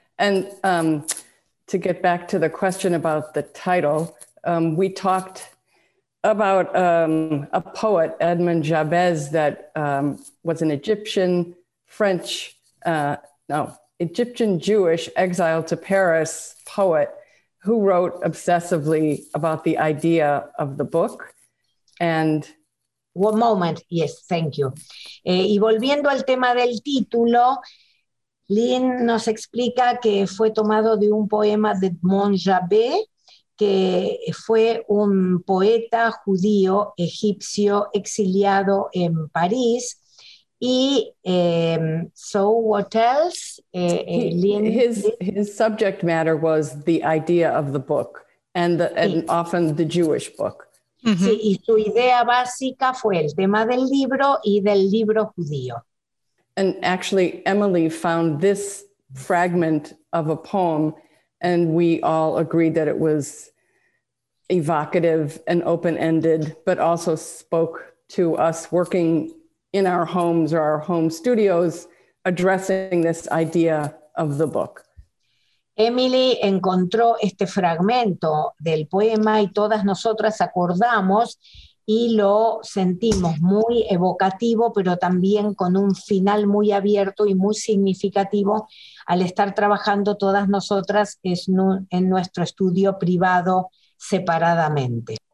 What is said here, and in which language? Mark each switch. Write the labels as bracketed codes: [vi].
[en] And to get back to the question about the title, we talked about a poet, Edmond Jabez, that was an Egyptian Jewish exiled to Paris poet who wrote obsessively about the idea of the book. And one moment, yes, thank you. [es] Y volviendo al tema del título, Lynn nos explica que fue tomado de un poema de Edmond Jabez, que fue un poeta judío egipcio exiliado en París. [en] Y so what else, Lynn? His subject matter was the idea of the book, and often the Jewish book. [es] Sí, y su idea básica fue el tema del libro y del libro judío. [en] And actually, Emily found this fragment of a poem, and we all agreed that it was evocative and open-ended, but also spoke to us working in our homes or our home studios, addressing this idea of the book. [es] Emily encontró este fragmento del poema y todas nosotras acordamos y lo sentimos muy evocativo, pero también con un final muy abierto y muy significativo al estar trabajando todas nosotras en nuestro estudio privado separadamente.